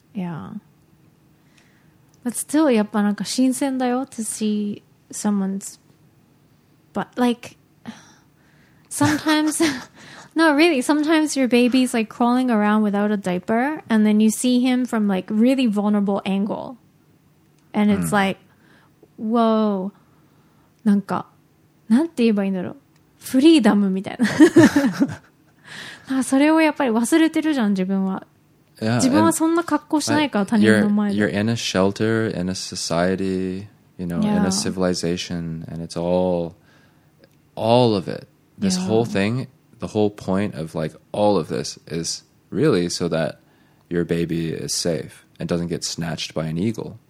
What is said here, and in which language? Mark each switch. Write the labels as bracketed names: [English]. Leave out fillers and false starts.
[English] Yeah. But still, [Japanese] やっぱなんか新鮮だよ [English] to see someone's butt. Like, sometimes... No, really. Sometimes your baby's like crawling around without a diaper and then you see him from like really vulnerable angle. And it's like, whoa. [Japanese] なんか、なんて言えばいいんだろう。フリーダムみたいな。なんかそれをやっぱり忘れてるじゃん、自分は。 [English] Yeah, [Japanese] 自分はそんな格好しないから、他人の前で。 [English] You're in a shelter, in a society, you know, in a civilization, and it's all of it. This whole thing... The whole point of like all of this is really so that your baby is safe and doesn't get snatched by an eagle.